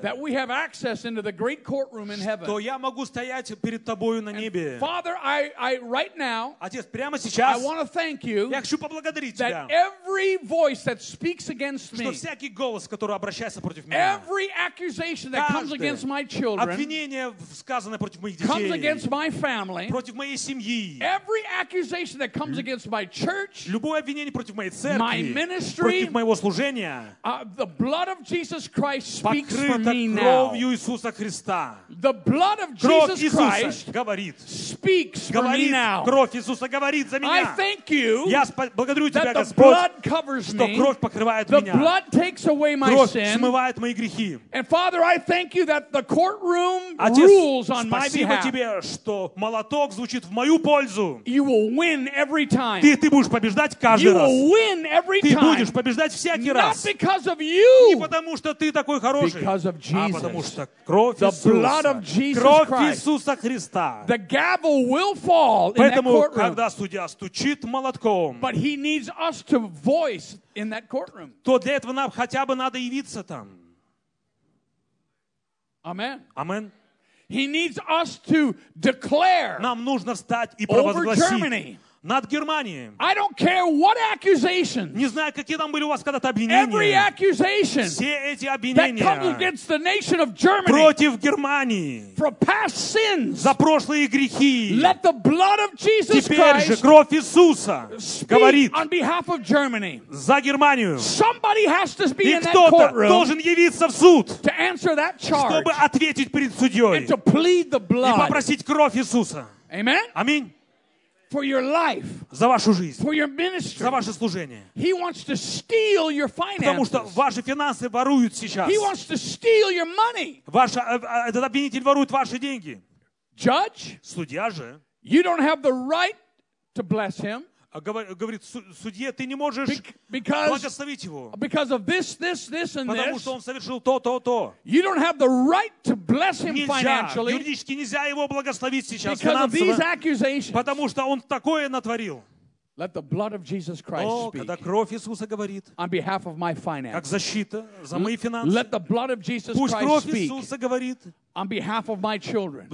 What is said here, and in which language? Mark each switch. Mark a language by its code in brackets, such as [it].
[en] That we have access into the great courtroom in heaven. [ru] Что я могу стоять перед тобою на небе. [en] Father, I right now. [ru] Отец, прямо сейчас. [en] I want to thank you. [ru] Я хочу поблагодарить тебя. [en] That every voice that speaks against me. [ru] Что всякий голос, который обращается против меня. [en] Every accusation that comes against my children. [ru] Обвинение, сказанное против моих детей. [en] Comes against my family. [ru] Против моей семьи. [en] Every accusation that comes against my church. [ru] Любое обвинение против моей церкви. [en] My ministry. [ru] Против моего служения. [en] The blood of Jesus Christ speaks for me now. The blood of Jesus Christ speaks for me now. [ru] Кровь Иисуса говорит за меня. [en] I thank you. [ru] Я благодарю тебя, Господь. [en] That the blood covers me. [ru] Что кровь покрывает меня. [en] The blood takes away my sin. [ru] Кровь смывает мои грехи. [en] And Father, I thank you that the courtroom rules on my behalf. [ru] Спасибо тебе, что молоток звучит в мою пользу. [en] You will win every time. [ru] Ты будешь побеждать каждый раз. [en] You will win every time. [ru] Ты будешь побеждать всякий раз. [en] Not because of you. [ru] Не потому что ты такой хороший, [en] because of Jesus, [ru] а потому что кровь [en] the [ru] Иисуса, [en] blood of Jesus [ru] кровь [en] Christ, [ru] Иисуса Христа. [en] The gavel will fall in [ru] поэтому, [en] that courtroom, [ru] когда судья стучит молотком, [en] but he needs us to voice in that courtroom. [ru] То для этого нам хотя бы надо явиться там. [en] Amen. Amen. He needs us to declare. [ru] Нам нужно встать и провозгласить. Над Германией. [en] I don't care what accusations. [ru] Не знаю, какие там были у вас когда-то обвинения. Все эти обвинения. [en] That comes against the nation of Germany. [ru] Против Германии. [en] For past sins. [ru] За прошлые грехи. [en] Let the blood of Jesus Christ. [ru] Теперь же кровь Иисуса говорит. [en] On behalf of Germany. [ru] За Германию. [en] Somebody has to be in that courtroom. [ru] И кто-то должен явиться в суд. [en] To answer that charge. [ru] Чтобы ответить перед судьей. [en] And to plead the blood. [ru] И попросить кровь Иисуса. [en] Amen. [ru] Аминь. [en] For your life, [ru] за вашу жизнь, [en] for your ministry, [ru] за ваше служение. [en] He wants to steal your finances. [ru] Потому что ваши финансы воруют сейчас. [en] He wants to steal your money. [ru] Ваша, этот обвинитель ворует ваши деньги. [en] Judge, [ru] судья же, [en] you don't have the right to bless him. [ru] Говорит судье, ты не можешь благословить его. [en] Because of this, this, this, and this. [ru] Потому что он совершил то, то, то. [en] You don't have the right to bless him financially. [ru] Юридически нельзя его благословить сейчас финансово. [en] Because of these accusations. [ru] Потому что он такое натворил. [en] Let the blood of Jesus Christ speak. [ru] О, когда кровь Иисуса говорит. [en] On behalf of my finances. [ru] Как защита за мои финансы. [en] Let the blood of Jesus Christ speak. [ru] Пусть кровь Иисуса говорит. [en] On behalf of my children.